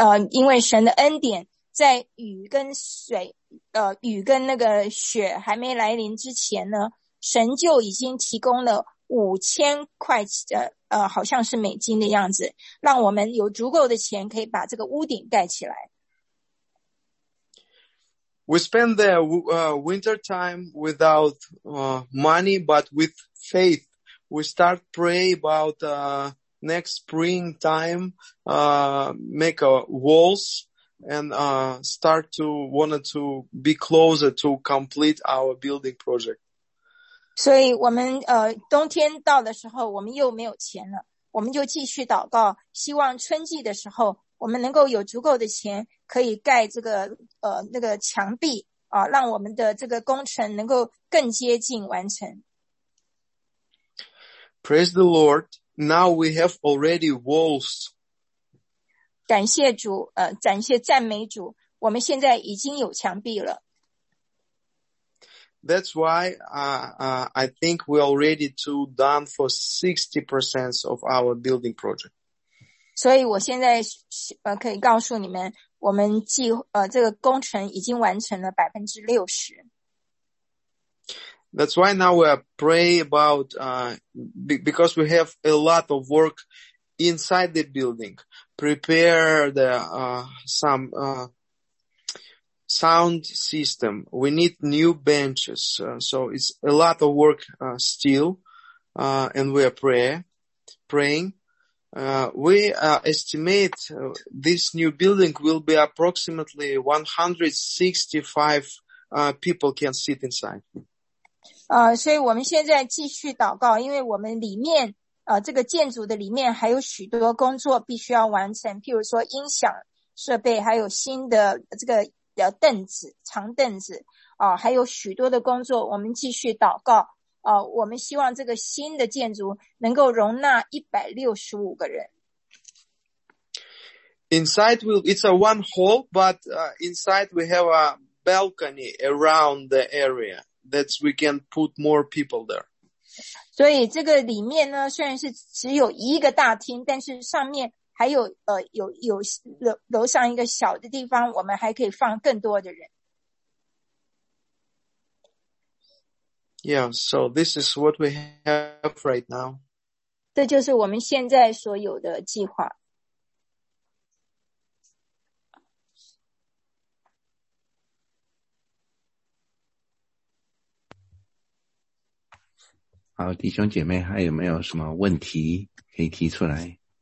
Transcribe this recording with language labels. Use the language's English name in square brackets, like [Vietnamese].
[Chinese] 因为神的恩典，在雨跟那个雪还没来临之前呢，神就已经提供了5000块好像是美金的样子，让我们有足够的钱可以把这个屋顶盖起来。 [English] We spend the winter time without money, but with faith, we start pray about next spring time, make a walls and start to wanted to be closer to complete our building project. [Chinese] 所以我们冬天到的时候，我们又没有钱了，我们就继续祷告，希望春季的时候。我们能够有足够的钱可以盖这个那个墙壁啊，让我们的这个工程能够更接近完成。 [English] Praise the Lord. Now we have already walls. [Chinese] 感谢主，感谢赞美主，我们现在已经有墙壁了。 [English] That's why, I think we're already too done for 60% of our building project. [Chinese] 所以我现在可以告诉你们，我们计这个工程已经完成了60%。 [English] That's why now we pray about because we have a lot of work inside the building, prepare the sound system. We need new benches, so it's a lot of work still, and we are praying. We estimate this new building will be approximately 165 people can sit inside. [Chinese] 所以我们现在继续祷告，因为我们里面这个建筑的里面还有许多工作必须要完成，譬如说音响设备，还有新的这个凳子，长凳子还有许多的工作，我们继续祷告。我们希望这个新的建筑能够容纳165个人。 [English] Inside will, it's a one hall, but inside we have a balcony around the area that we can put more people there. [Chinese] 所以这个里面呢，虽然是只有一个大厅，但是上面还有有楼上一个小的地方，我们还可以放更多的人。 [English] Yeah, so this is what we have right now. [Chinese] 这就是我们现在所有的计划。好，弟兄姐妹，还有没有什么问题可以提出来？